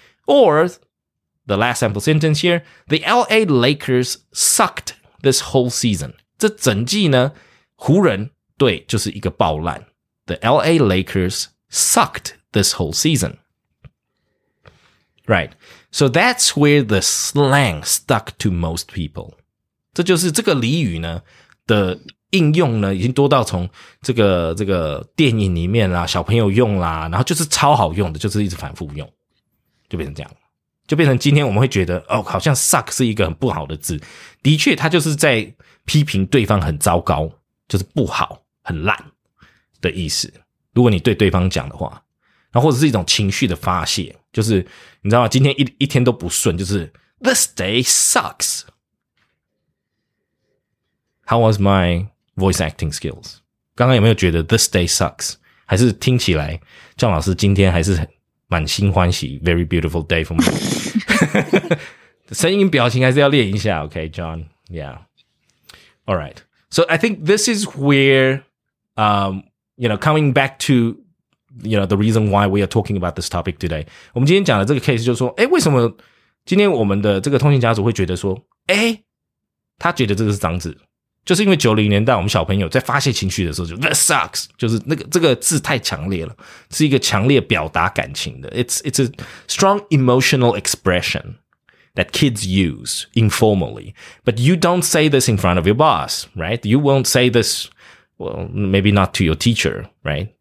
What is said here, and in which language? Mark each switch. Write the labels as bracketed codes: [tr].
[en] Or, the last sample sentence here, the LA Lakers sucked this whole season. [zh] 这整季呢，湖人队就是一个爆烂。 [en] The LA Lakers sucked this whole season. Right. So that's where the slang stuck to most people. [zh] 这就是这个俚语呢的应用呢已经多到从这个电影里面啦，小朋友用啦，然后就是超好用的，就是一直反复用，就变成这样，就变成今天我们会觉得哦，好像 suck 是一个很不好的字，的确它就是在批评对方很糟糕，就是不好很烂的意思，如果你对对方讲的话，然后或者是一种情绪的发泄，就是你知道吗，今天 一天都不顺，就是 [en] This day sucks. How was my voice acting skills? [zh] 刚刚有没有觉得 [en] This day sucks? [zh] 还是听起来姜老师今天还是满心欢喜 [en] Very beautiful day for me. [zh] 声音表情还是要练一下 [en] OK John? Yeah. Alright. So I think this is where you know, coming back toYou know, the reason why we are talking about this topic today. [zh] 我们今天讲的这个 case 就是说，为什么今天我们的这个通信家族会觉得说，他觉得这个是脏字，就是因为90年代我们小朋友在发泄情绪的时候就 [en] This sucks, [zh] 就是那个这个字太强烈了，是一个强烈表达感情的。 [en] It's a strong emotional expression that kids use informally. But you don't say this in front of your boss, right? You won't say this, well, maybe not to your teacher, right?